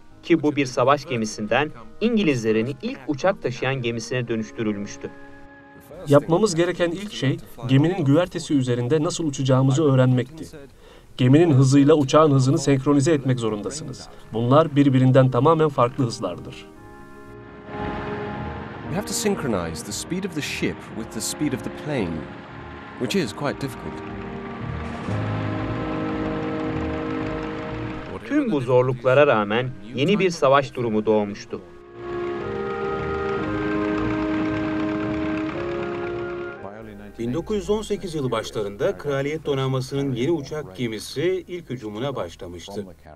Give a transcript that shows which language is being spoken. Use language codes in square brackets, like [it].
[tr] Ki bu bir savaş gemisinden İngilizlerin ilk uçak taşıyan gemisine dönüştürülmüştü. Yapmamız gereken ilk şey geminin güvertesi üzerinde nasıl uçacağımızı öğrenmekti. Geminin hızıyla uçağın hızını senkronize etmek zorundasınız. Bunlar birbirinden tamamen farklı hızlardır. [en] You have to synchronize the speed of the ship with the speed of the plane. Which is quite difficult. [tr] Tüm bu zorluklara rağmen yeni bir savaş durumu doğmuştu. ...1918 yılı başlarında Kraliyet Donanması'nın yeni uçak gemisi ilk hücumuna başlamıştı.